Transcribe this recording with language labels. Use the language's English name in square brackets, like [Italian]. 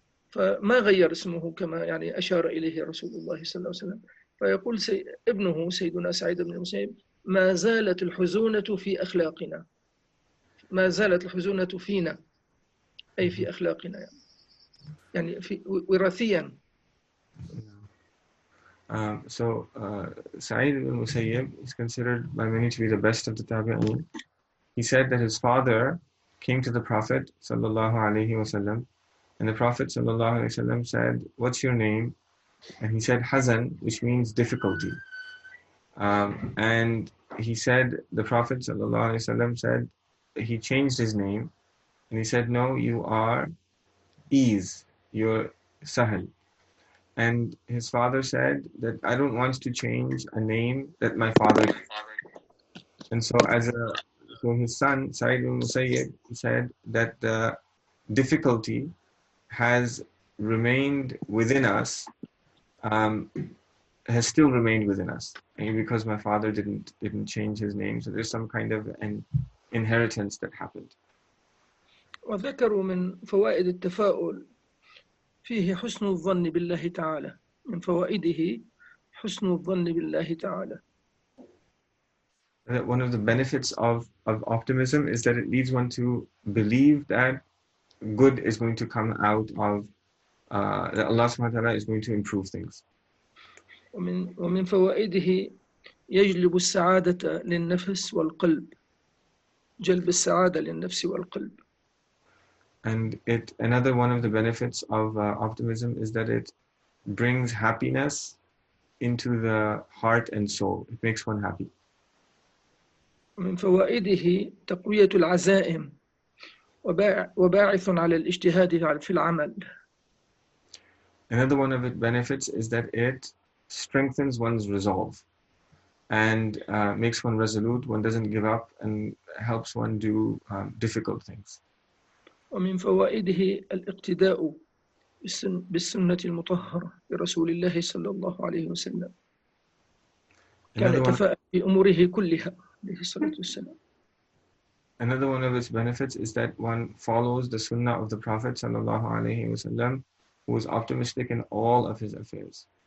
[Arabic] فما غير اسمه كما يعني أشار إليه رسول الله صلى الله عليه وسلم. فيقول ابنه سيدنا سعيد بن المسيب ما زالت الحزونة في أخلاقنا. ما زالت الحزونة فينا أي في أخلاقنا يعني في وراثيا. [English] Sa'id ibn Musayyib is considered by many to be the best of the Tabi'in. He said that his father came to the Prophet sallallahu alaihi wasallam, and the Prophet sallallahu alaihi wasallam said, "What's your name?" And he said, "Hazan," which means difficulty. And he said, the Prophet sallallahu alaihi wasallam said, he changed his name, and he said, no, you are ease, you're sahal. And his father said that I don't want to change a name that my father. And so his son, Sa'id ibn Musayyib, said that the difficulty has remained within us, has still remained within us, because my father didn't change his name. So there's some kind of an inheritance that happened. [Arabic] وذكروا من فوائد التفاؤل فيه حسن الظن بالله تعالى من فوائده حسن الظن بالله تعالى. [English] One of the benefits of optimism is that it leads one to believe that good is going to come out of that Allah subhanahu wa ta'ala is going to improve things. [Arabic] ومن فوائده يجلب السعادة للنفس والقلب جلب السعادة للنفس والقلب. [English] And it another one of the benefits of optimism is that it brings happiness into the heart and soul. It makes one happy. [Arabic] من فوائده تقوية العزائم وباعث على الاجتهاد في العمل. [English] Another one of its benefits is that it strengthens one's resolve and makes one resolute. One doesn't give up and helps one do difficult things. [Arabic] ومن فوائده الاقتداء بالسنة المطهرة لرسول الله صلى الله عليه وسلم. كان يتفاءل في أموره كلها عليه الصلاة والسلام. [English] Another one of its benefits is that one follows the sunnah of the Prophet صلى الله عليه وسلم, who is optimistic in all of his affairs.